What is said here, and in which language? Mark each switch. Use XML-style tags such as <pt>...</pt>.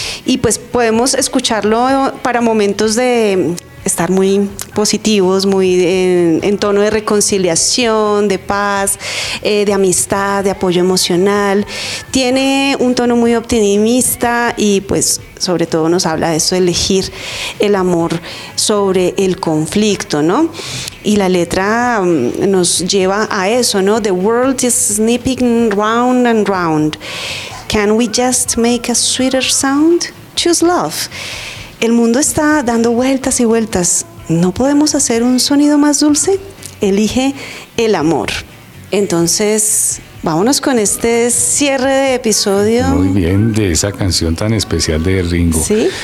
<es>Y pues podemos escucharlo para momentos de estar muy positivos, muy en tono de reconciliación, de paz, de amistad, de apoyo emocional. Tiene un tono muy optimista y pues sobre todo nos habla de eso, de elegir el amor sobre el conflicto, ¿no? Y la letra nos lleva a eso, ¿no?</es> <en>The world is snipping round and round. Can we just make a sweeter sound? Choose love.</en> <es>El mundo está dando vueltas y vueltas. ¿No podemos hacer un sonido más dulce? Elige el amor. Entonces, vámonos con este cierre de episodio. Muy bien, de esa canción tan especial de Ringo. ¿Sí?</es>